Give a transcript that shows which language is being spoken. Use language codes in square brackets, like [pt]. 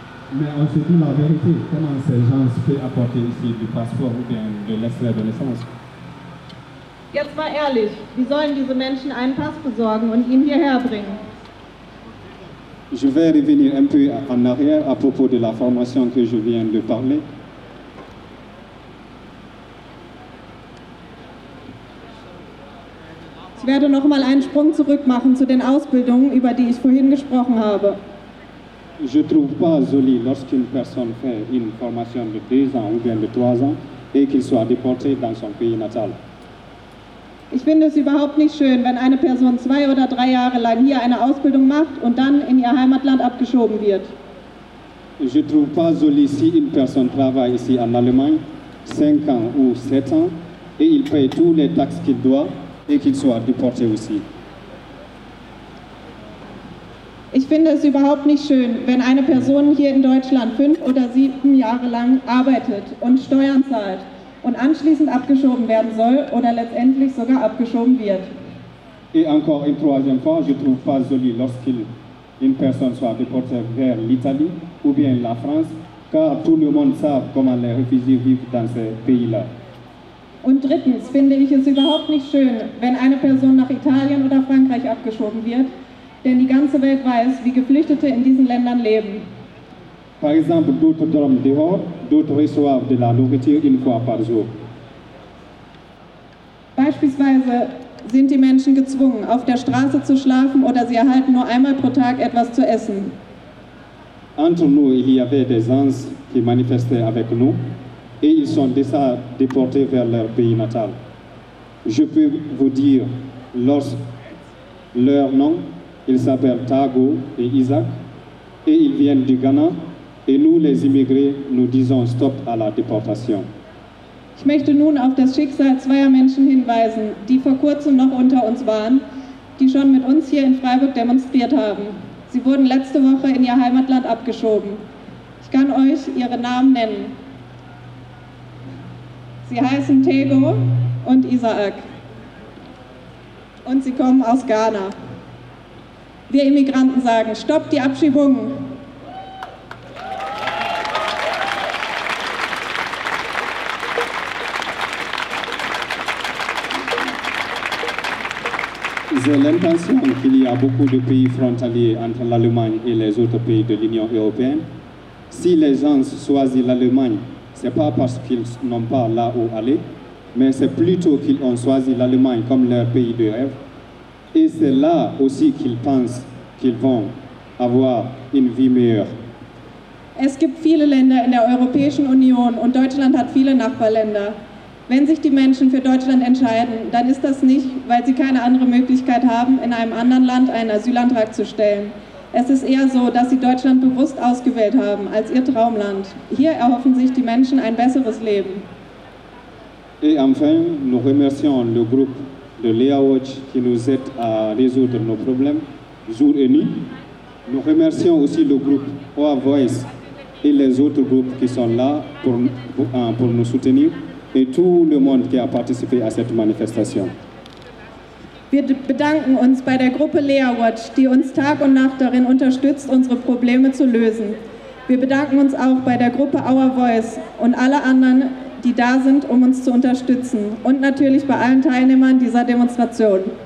[fr] Mais on se dit la vérité, comment ces gens peuvent apporter ici du passeport ou bien de l'extrait de naissance? [de] Jetzt mal ehrlich, wie sollen diese Menschen einen Pass besorgen und ihn hierher bringen? [fr] Je vais revenir un peu en arrière à propos de la formation que je viens de parler. [de] Ich werde noch mal einen Sprung zurück machen zu den Ausbildungen, über die ich vorhin gesprochen habe. [fr] Je trouve pas joli lorsqu'une personne fait une formation de 2 ans ou bien de 3 ans et qu'il soit déporté dans son pays natal. [de] Ich finde es überhaupt nicht schön, wenn eine Person 2 oder 3 Jahre lang hier eine Ausbildung macht und dann in ihr Heimatland abgeschoben wird. [fr] Je trouve pas joli si une personne travaille ici en Allemagne 5 ans ou 7 ans et il paye tous les taxes qu'il doit et qu'il soit déporté aussi. [de] Ich finde es überhaupt nicht schön, wenn eine Person hier in Deutschland 5 oder 7 Jahre lang arbeitet und Steuern zahlt. Und anschließend abgeschoben werden soll oder letztendlich sogar abgeschoben wird. [fr] Et encore une troisième fois, je trouve pas joli lorsqu'une personne soit déportée vers l'Italie ou bien la France, car tout le monde sait comment les réfugiés vivent dans ces pays-là. [de] Und drittens finde ich es überhaupt nicht schön, wenn eine Person nach Italien oder Frankreich abgeschoben wird, denn die ganze Welt weiß, wie Geflüchtete in diesen Ländern leben. [fr] Par exemple, d'autres dorment dehors, d'autres reçoivent de la nourriture une fois par jour. [de] Beispielsweise sind die Menschen gezwungen, auf der Straße zu schlafen oder sie erhalten nur einmal pro Tag etwas zu essen. [fr] Entre nous, il y avait des uns qui manifestaient avec nous et ils sont déjà déportés vers leur pays natal. Je peux vous dire leur nom, ils s'appellent Tago et Isaac et ils viennent du Ghana. Et nous, les immigrés, nous disons stop à la déportation. [de] Ich möchte nun auf das Schicksal zweier Menschen hinweisen, die vor kurzem noch unter uns waren, die schon mit uns hier in Freiburg demonstriert haben. Sie wurden letzte Woche in ihr Heimatland abgeschoben. Ich kann euch ihre Namen nennen. Sie heißen Tego und Isaac. Und sie kommen aus Ghana. Wir Immigranten sagen, stopp die Abschiebungen. [fr] J'ai l'impression qu'il y a beaucoup de pays frontaliers entre l'Allemagne et les autres pays de l'Union européenne. Si les gens choisissent l'Allemagne, ce n'est pas parce qu'ils n'ont pas là où aller, mais c'est plutôt qu'ils ont choisi l'Allemagne comme leur pays de rêve. Et c'est là aussi qu'ils pensent qu'ils vont avoir une vie meilleure. [de] Es gibt viele Länder in der Europäischen Union und Deutschland hat viele Nachbarländer. Wenn sich die Menschen für Deutschland entscheiden, dann ist das nicht, weil sie keine andere Möglichkeit haben, in einem anderen Land einen Asylantrag zu stellen. Es ist eher so, dass sie Deutschland bewusst ausgewählt haben als ihr Traumland. Hier erhoffen sich die Menschen ein besseres Leben. [fr] Et enfin, nous remercions le groupe de LeaWatch qui nous aide à résoudre nos problèmes jour et nuit. Nous remercions aussi le groupe Our Voice et les autres groupes qui sont là pour nous soutenir et tout le monde qui a participé à cette manifestation. [de] Wir bedanken uns bei der Gruppe LeaWatch, die uns Tag und Nacht darin unterstützt, unsere Probleme zu lösen. Wir bedanken uns auch bei der Gruppe Our Voice und alle anderen, die da sind, um uns zu unterstützen. Und natürlich bei allen Teilnehmern dieser Demonstration.